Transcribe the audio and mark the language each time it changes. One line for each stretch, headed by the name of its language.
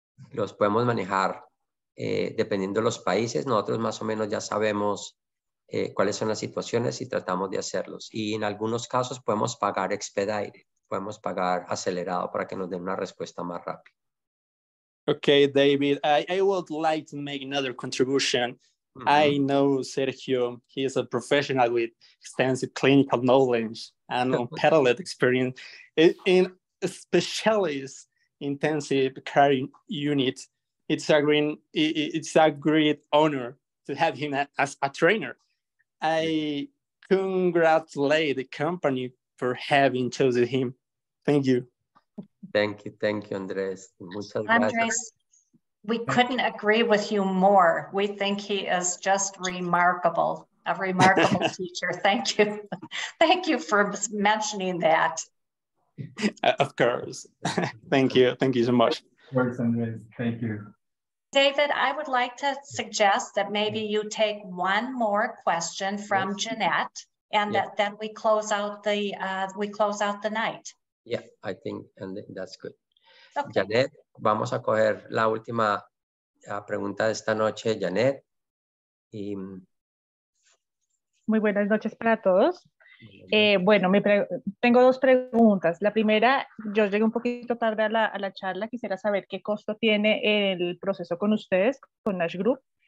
Spanish: Los podemos manejar. Dependiendo de los países, nosotros más o menos ya sabemos cuáles son las situaciones y tratamos de hacerlos. Y en algunos casos podemos pagar expedite, podemos pagar acelerado para que nos den una respuesta más rápida.
English: Okay, David, I would like to make another contribution. Mm-hmm. I know Sergio, he is a professional with extensive clinical knowledge and unparalleled experience in a specialist intensive care unit. It's a great honor to have him as a trainer. I congratulate the company for having chosen him. Thank you. Thank you, Andres. Muchas gracias. Andres, we couldn't agree with you more. We think he is just remarkable, a remarkable teacher. Thank you. Thank you for mentioning that. Of course. Thank you. Thank you so much. Of course, Andres. Thank you. David, I would like to suggest that maybe you take one more question from Jeanette, and then we close out the night. Yeah, I think that's good. Okay.
Spanish: Jeanette, vamos a coger la última pregunta de esta noche, Jeanette. Y... Muy buenas noches para todos. Tengo dos preguntas. La primera, yo llegué un poquito tarde a la charla, quisiera saber qué costo tiene el proceso con ustedes, con Nash Group.